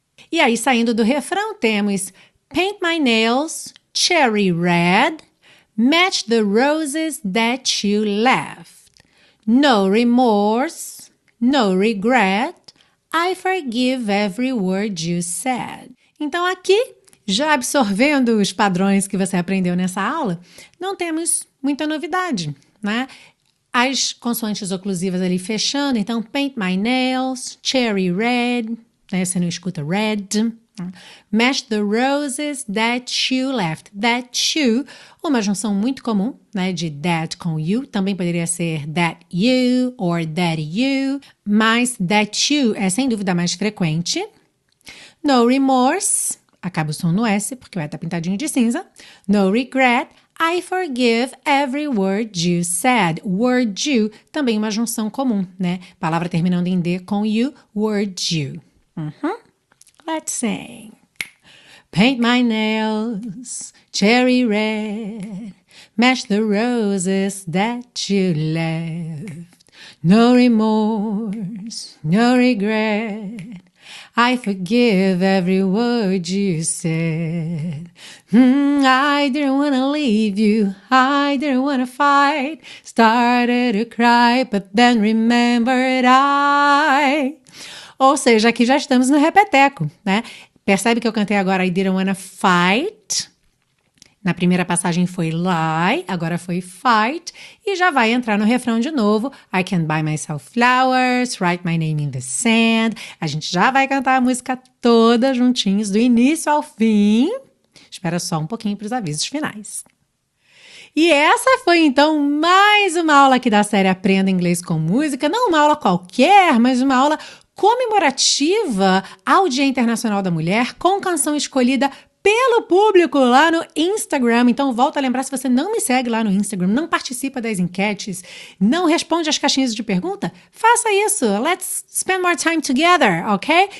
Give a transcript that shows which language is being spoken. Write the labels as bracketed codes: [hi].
[pt] E aí, saindo do refrão, temos [en] paint my nails cherry red, match the roses that you left. No remorse, no regret, I forgive every word you said. [pt] Então aqui, já absorvendo os padrões que você aprendeu nessa aula, não temos muita novidade, né? As consoantes oclusivas ali fechando, então [en] paint my nails, cherry red, [pt] né? Você não escuta red. [en] Match the roses that you left. [pt] That you, uma junção muito comum, né, de that com you. Também poderia ser [en] that you or that you, [pt] mas that you é sem dúvida mais frequente. No remorse, acaba o som no S porque vai estar pintadinho de cinza. [en] No regret, I forgive every word you said. [pt] Word you, também uma junção comum, né, palavra terminando em D com you, [en] word you. Uhum. Let's sing. Paint my nails cherry red, match the roses that you left. No remorse, no regret, I forgive every word you said. I didn't want to leave you, I didn't want to fight, started to cry, but then remembered I... [pt] Ou seja, aqui já estamos no repeteco, né? Percebe que eu cantei agora [en] I didn't wanna fight, [pt] Na primeira passagem foi lie, agora foi fight, e já vai entrar no refrão de novo. [en] I can buy myself flowers, write my name in the sand. [pt] A gente já vai cantar a música toda juntinhos, do início ao fim. Espera só um pouquinho para os avisos finais. E essa foi, então, mais uma aula aqui da série Aprenda Inglês com Música. Não uma aula qualquer, mas uma aula comemorativa ao Dia Internacional da Mulher, com canção escolhida pelo público lá no Instagram. Então, volto a lembrar, se você não me segue lá no Instagram, não participa das enquetes, não responde às caixinhas de pergunta, faça isso. [en] Let's spend more time together, ok?